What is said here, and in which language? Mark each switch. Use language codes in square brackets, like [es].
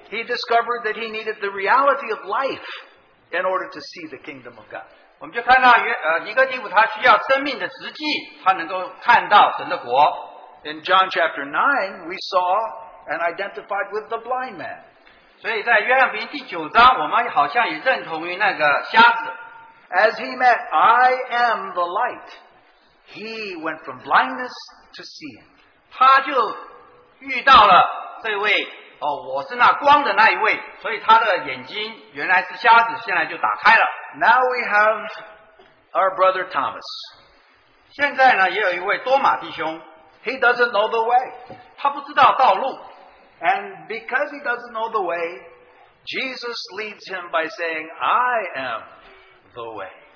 [en] He discovered that he needed the reality of life in order to see the kingdom of God. [zh] 我们就看到尼哥底母他需要生命的实际，他能够看到神的国。 [en] In John chapter 9, we saw and identified with the blind man. [zh] 所以在约翰福音第九章，我们好像也认同于那个瞎子。 [en] As he met, I am the light, he went from blindness to seeing. [zh] 他就遇到了这位，我是那光的那一位，所以他的眼睛原来是瞎子，现在就打开了。 [en] Now we have our brother Thomas. [zh] 现在呢，也有一位多马弟兄。 [en] He doesn't know the way. [zh] 他不知道道路。 [en] And because he doesn't know the way, Jesus leads him by saying, I am the way.